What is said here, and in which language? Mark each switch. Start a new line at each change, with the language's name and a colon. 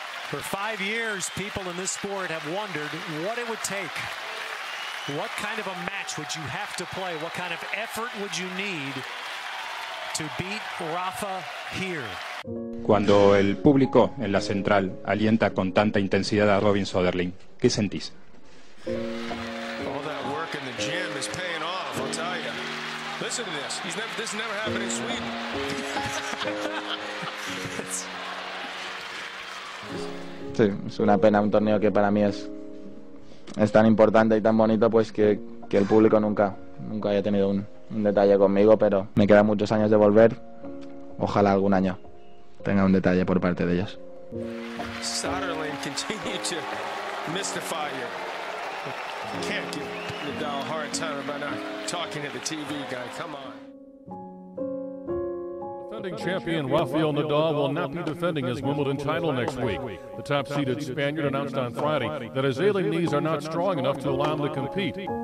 English: For 5 years, people in this sport have wondered what it would take. What kind of a match would you have to play? What kind of effort would you need to beat Rafa here?
Spanish: Cuando el público en la central alienta con tanta intensidad a Robin Söderling, ¿qué sentís?
English: All that work in the gym is paying off, I'll tell you. Listen to this. This never happened in Sweden.
Spanish: Sí, es una pena un torneo que para mí es tan importante y tan bonito, pues que el público nunca haya tenido un detalle conmigo, pero me quedan muchos años de volver. Ojalá algún año tenga un detalle por parte de ellos.
English: Söderling continue to mystify you. Can't give Nadal a hard time about not talking to the TV guy. Come on. Defending champion Rafael Nadal will not be defending his Wimbledon title next week. The top-seeded Spaniard announced on Friday that his ailing knees are not strong enough to allow him to compete.